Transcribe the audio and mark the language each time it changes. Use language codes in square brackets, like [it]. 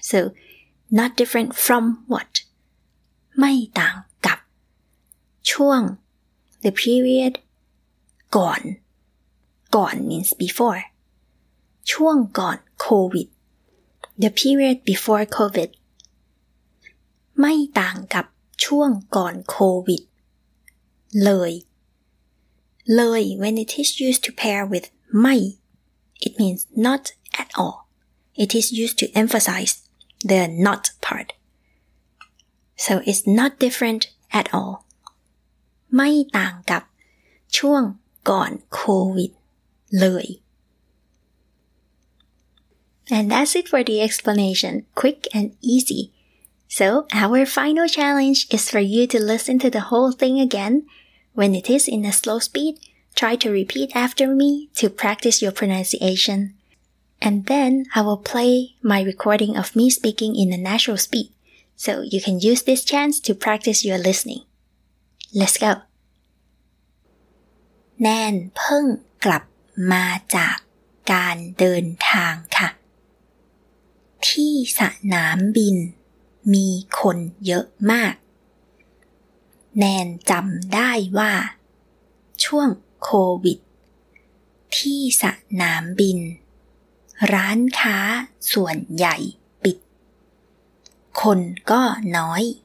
[en] So not different from what? [th] ไม่ต่างกับช่วง [en] the period ก่อน ก่อน means before. [th] ช่วงก่อน COVID. [en] The period before COVID. [th] ไม่ต่างกับช่วงก่อน COVID. lời. [en] Lời, when it is used to pair with ไม่ it means not at all. It is used to emphasize the not part. So it's not different at all. [th] ไม่ต่างกับช่วงก่อนโควิดเลย [en] And that's it for the explanation, quick and easy. So our final challenge is for you to listen to the whole thing again. When it is in a slow speed, try to repeat after me to practice your pronunciation. And then I will play my recording of me speaking in a natural speed, so you can use this chance to practice your listening. Let's go! [th] แนนเพิ่งกลับมาจากการเดินทางค่ะที่สนามบินมีคนเยอะมากแนนจำได้ว่าช่วงโควิดที่สนามบินร้านค้าส่วนใหญ่ปิดคนก็น้อย